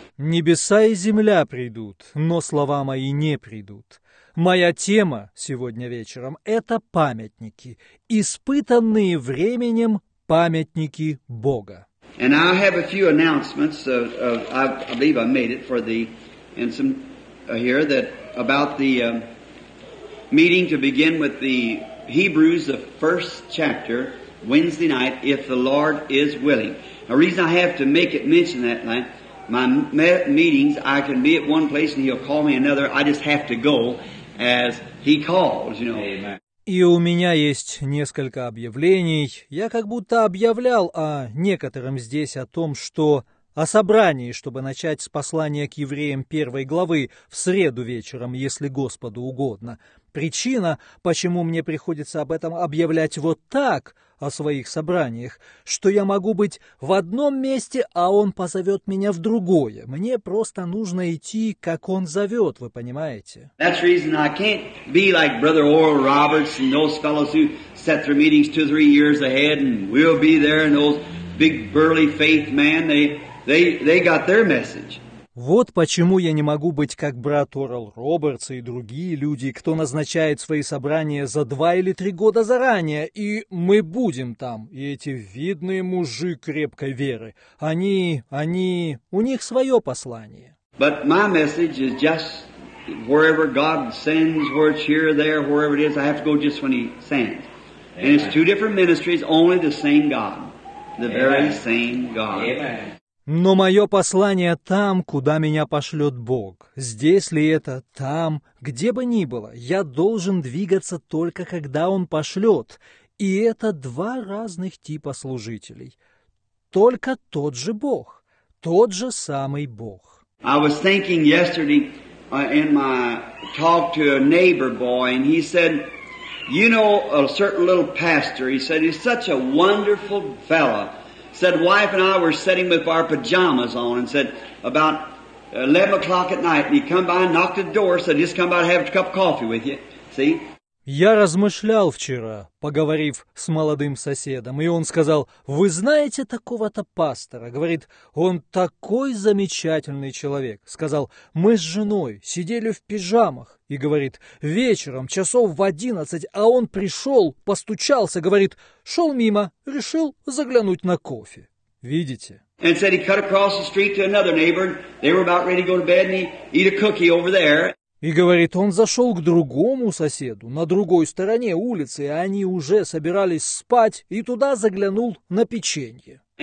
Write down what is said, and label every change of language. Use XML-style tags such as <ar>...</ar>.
<ru>Небеса и земля придут, но слова мои не придут. Моя тема сегодня вечером – это памятники, испытанные временем памятники Бога.</ru> <en>And I have a few announcements, I believe I made it for the, and some here, that about the meeting to begin with the Hebrews, the first chapter, Wednesday night, if the Lord is willing. The reason I have to make it mention that night, my meetings, I can be at one place and he'll call me another, I just have to go as he calls, you know. Amen.</en> <ru>И у меня есть несколько объявлений. Я как будто объявлял о некотором здесь о том, что о собрании, чтобы начать с послания к евреям первой главы в среду вечером, если Господу угодно. Причина, почему мне приходится об этом объявлять вот так, о своих собраниях, что я могу быть в одном месте, а он позовет меня в другое. Мне просто нужно идти, как он зовет, вы понимаете?</ru> <en>That's the reason I can't be like Brother Oral Roberts and those fellows who set their meetings 2-3 years ahead and we'll be there and those big burly faith men, they got their message.</en> <ru>Вот почему я не могу быть как брат Орел Робертс и другие люди, кто назначает свои собрания за 2 или 3 года заранее, и мы будем там, и эти видные мужи крепкой веры, они, у них свое послание.</ru> <en>But my message is just wherever God sends, where it's here, there, wherever it is, I have to go just when he sends. And it's two different ministries, only the same God, the very same God. Amen.</en> <ru>Но мое послание там, куда меня пошлет Бог. Здесь ли это, там, где бы ни было, я должен двигаться только, когда Он пошлет. И это 2 разных типа служителей. Только тот же Бог, тот же самый Бог.</ru> <en>I was thinking yesterday in my talk to a neighbor boy, and he said, you know, a certain little pastor, he said, he's such a wonderful fella. Said wife and I were sitting with our pajamas on and said about 11 o'clock at night and he come by and knocked the door said just come by and have a cup of coffee with you. See?</en> <ru>Я размышлял вчера, поговорив с молодым соседом, и он сказал, вы знаете такого-то пастора? Говорит, он такой замечательный человек. Сказал, мы с женой сидели в пижамах, и говорит, вечером, 11:00, а он пришел, постучался, говорит, шел мимо, решил заглянуть на кофе. Видите?</ru> <en>And said he cut across the street to another neighbor, they were about ready to go to bed, and he eat a cookie over there.</en> <ru>И говорит, он зашел к другому соседу на другой стороне улицы, и они уже собирались спать, и туда заглянул на печенье.</ru>